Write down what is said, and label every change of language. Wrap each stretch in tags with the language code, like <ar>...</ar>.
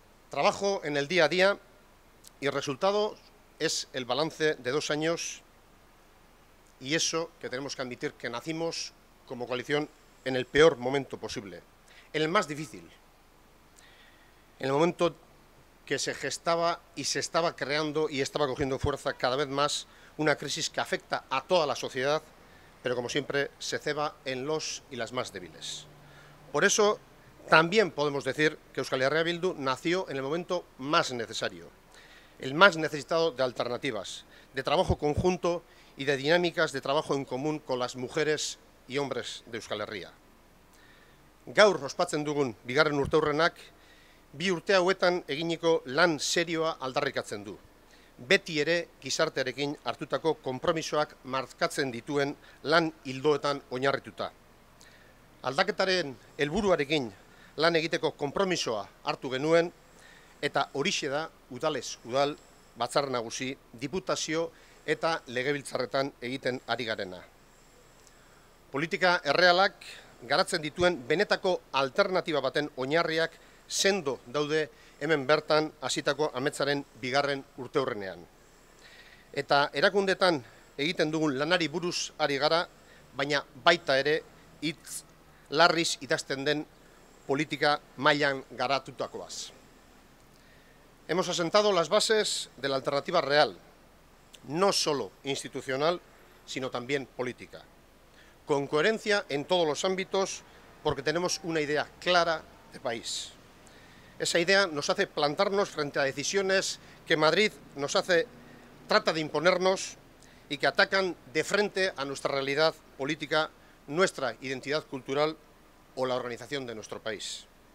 <es>Trabajo en el día a día y el resultado es el balance de dos años y eso que tenemos que admitir que nacimos como coalición en el peor momento posible, en el más difícil, en el momento que se gestaba y se estaba creando y estaba cogiendo fuerza cada vez más una crisis que afecta a toda la sociedad, pero como siempre se ceba en los y las más débiles. Por eso también podemos decir que Euskal Herria Bildu nació en el momento más necesario, el más necesitado de alternativas, de trabajo conjunto y de dinámicas de trabajo en común con las mujeres y hombres de Euskal Herria.</es> <eu>Gaur ospatzen dugun bigarren urteurrenak, bi urte hauetan eginiko lan serioa aldarrikatzen du. Beti ere gizartearekin hartutako konpromisoak markatzen dituen lan ildoetan oinarrituta. Aldaketaren helburuarekin lan egiteko konpromisoa hartu genuen, eta horixe da udalez udal, batzar nagusi, diputazio eta legebiltzarretan egiten ari garena. Politika errealak garatzen dituen benetako alternatiba baten oinarriak sendo daude hemen bertan hasitako ametsaren bigarren urteurrenean. Eta erakundetan egiten dugun lanari buruz ari gara, baina baita ere hitz larriz idazten den politika mailan garatutakoaz.</eu> <es>Hemos asentado las bases de la alternativa real, no solo institucional, sino también política. Con coherencia en todos los ámbitos, porque tenemos una idea clara de país. Esa idea nos hace plantarnos frente a decisiones que Madrid nos hace trata de imponernos y que atacan de frente a nuestra realidad política, nuestra identidad cultural o la organización de nuestro país.</es>